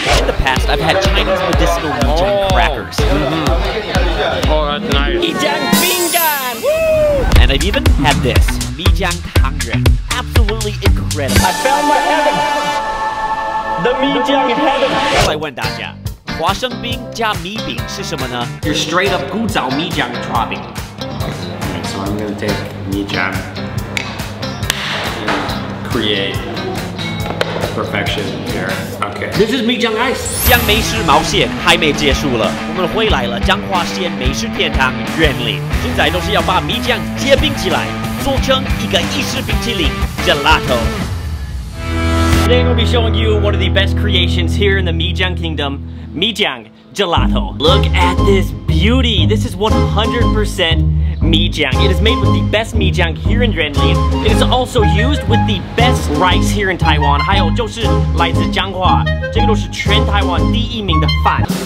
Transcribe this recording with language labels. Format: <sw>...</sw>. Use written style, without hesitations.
<en>In the past, I've had Chinese medicinal 米漿 crackers. Oh, that's nice.</en> <zh>米漿 饼干.</zh> <en>And I've even had this, 米漿 湯圓. Absolutely incredible. I found my heaven. the 米漿 heaven。</en> <zh>来问大家，花生冰加米饼是什么呢？</zh> <en>You're straight up</en> <zh>古早米漿的刨冰。</zh> <en>So I'm gonna take 米漿 create perfection here. Okay. This is 米漿 ice。</en> <zh>将美食冒险还没结束了，我们回来了彰化县美食天堂园林，现在都是要把米漿结冰起来。做成一个意式冰淇淋 gelato。</zh> <en>Today we'll be showing you one of the best creations here in the 米漿 kingdom, 米漿 gelato. Look at this beauty! This is 100% 米漿. It is made with the best 米漿 here in 园林. It is also used with the best rice here in Taiwan.</en> <zh>还有就是来自彰化，这个都是全台湾第一名的饭。</zh>